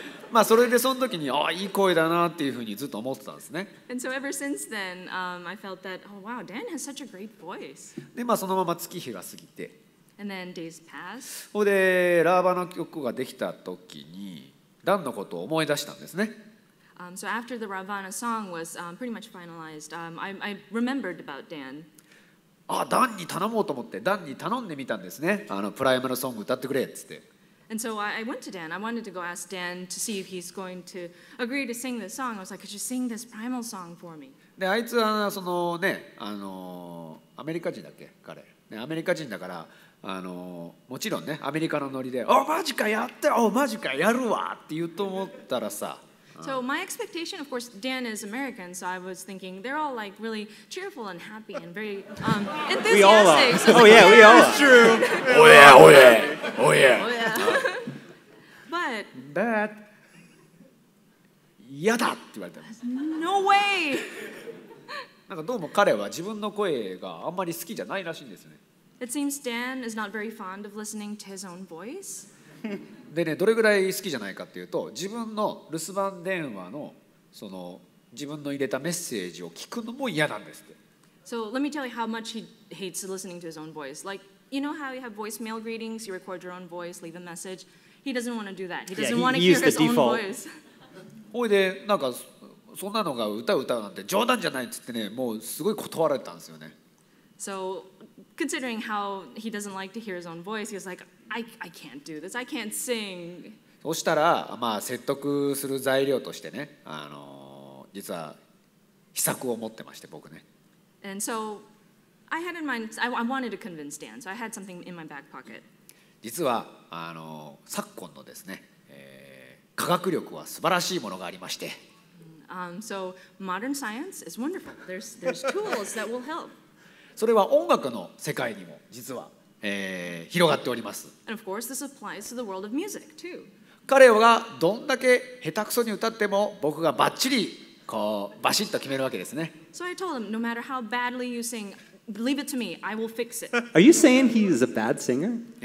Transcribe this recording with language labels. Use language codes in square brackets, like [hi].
[ja] まあそれでその時にあいい声だなっていうふうにずっと思ってたんですね。 [en] And so ever since then, I felt that, oh wow, Dan has such a great voice. [ja] でまあそのまま月日が過ぎて。 [en] And then days pass. [ja] それでラーバの曲ができた時に、ダンのことを思い出したんですね。 [en] So after the Ravana song was pretty much finalized, I remembered about Dan. [ja] ああ、ダンに頼もうと思って、ダンに頼んでみたんですね。あのプライムのソング歌ってくれっつって。 [en] And so I went to Dan. I wanted to go ask Dan to see if he's going to agree to sing this song. I was like, could you sing this primal song for me? [ja] で、あいつはそのね、アメリカ人だっけ、彼。ね、アメリカ人だから、もちろんね、アメリカのノリで、お、マジかやって、お、マジかやるわって言うと思ったらさ、 [en] So my expectation, of course, Dan is American, so I was thinking they're all like really cheerful and happy and very enthusiastic. We all are. So oh yeah, we all are. True. Oh yeah, oh yeah, oh yeah. Oh yeah. But. [ja] やだって言われた。 [en] No way. [ja] なんかどうも彼は自分の声があんまり好きじゃないらしいんですね。 [en] It seems Dan is not very fond of listening to his own voice. [ja] でね、どれぐらい好きじゃないかっていうと、自分の留守番電話のその自分の入れたメッセージを聞くのも嫌なんですって。 [en] So let me tell you how much he hates listening to his own voice. Like, you know how you have voicemail greetings, you record your own voice, leave a message. He doesn't want to do that. He doesn't want to hear his own voice. [ja] ほいで、なんかそんなのが歌う歌うなんて冗談じゃないっつってね、もうすごい断られたんですよね。 [en] So considering how he doesn't like to hear his own voice, he was like,I can't do this. I can't sing. [ja] そしたら、まあ、説得する材料としてね、実は秘策を持ってまして、僕ね。 [en] And so, I had in mind, I wanted to convince Dan, so I had something in my back pocket. [ja] 実は、昨今のですね、科学力は素晴らしいものがありまして。 [en] So, modern science is wonderful. There's tools that will help. [ja] それは音楽の世界にも、実は。広がっております。 [en] And of course, this applies to the world of music too. [ja] 彼がどんだけ下手くそに歌っても僕がバッチリこうバシッと決めるわけですね。 [en] So I told him, no matter how badly you sing, leave it to me. I will fix it. Are you saying he is a bad singer?